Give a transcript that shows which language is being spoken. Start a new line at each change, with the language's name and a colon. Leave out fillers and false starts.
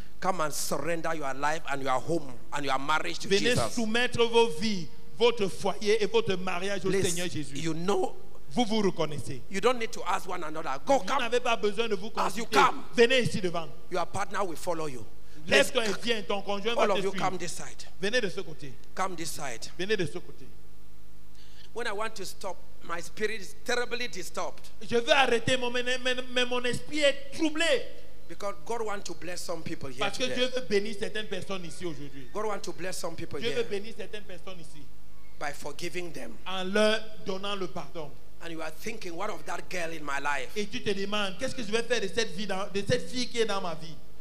English: Come and surrender your life and your home and your marriage to
French: venez
English: Jesus.
French: Venez soumettre vos vies, votre foyer et votre mariage au
English: please,
French: Seigneur Jésus.
English: You know.
French: Vous vous reconnaissez.
English: You don't need to ask one another. Go
French: vous
English: come.
French: N'avez pas besoin de vous consulter.
English: As you come.
French: Venez ici devant.
English: Your partner will follow you.
French: Lève-toi et viens. Ton conjoint
English: all
French: va
English: of
French: te
English: you
French: suivre.
English: Come this side.
French: Venez de ce côté.
English: Come this side.
French: Venez de ce côté.
English: When I want to stop, my spirit is terribly disturbed.
French: Je veux arrêter mon esprit est troublé.
English: Because God wants to bless some people here.
French: Parce que
English: today.
French: Dieu veut bénir certaines personnes ici aujourd'hui.
English: God wants to bless some people
French: Dieu
English: here.
French: Dieu veut bénir certaines personnes ici.
English: By forgiving them.
French: En leur donnant le pardon.
English: And you are thinking, what of that girl in my life?
French: Et tu te demandes, qu'est-ce que je vais faire de cette vie de cette fille qui est dans ma vie?